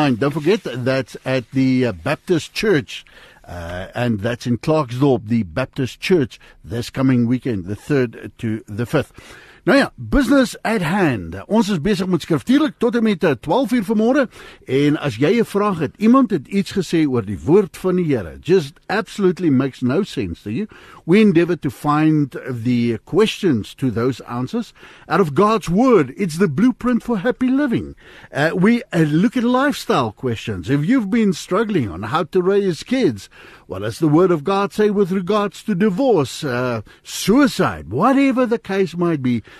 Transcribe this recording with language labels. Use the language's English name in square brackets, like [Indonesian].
[English] Don't forget, that's at the Baptist Church, and that's in Klerksdorp, the Baptist Church, this coming weekend, the 3rd to the 5th. [Afrikaans] Nou ja, [English] business at hand. [Afrikaans] Ons is besig met skriftuurlik tot en met 12 uur vanmôre. En as jy 'n vraag het, iemand het iets gesê oor die woord van die Here. [English] Just absolutely makes no sense to you. We endeavor to find the questions to those answers out of God's word. It's the blueprint for happy living. We look at lifestyle questions. If you've been struggling on how to raise kids, what does the word of God say with regards to divorce, suicide, whatever the case might be?